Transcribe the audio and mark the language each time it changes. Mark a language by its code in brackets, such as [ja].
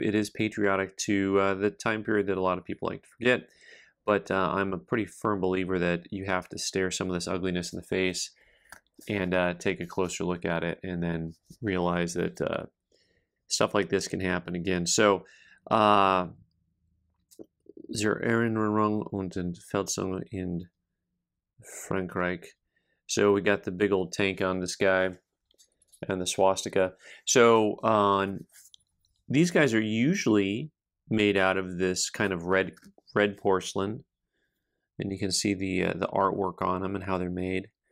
[en] It is patriotic to the time period that a lot of people like to forget. But I'm a pretty firm believer that you have to stare some of this ugliness in the face and take a closer look at it and then realize that stuff like this can happen again. [de] So, zur Erinnerung und Entfesselung in Frankreich. [en] So, we got the big old tank on this guy. And the swastika. So these guys are usually made out of this kind of red porcelain, and you can see the artwork on them and how they're made.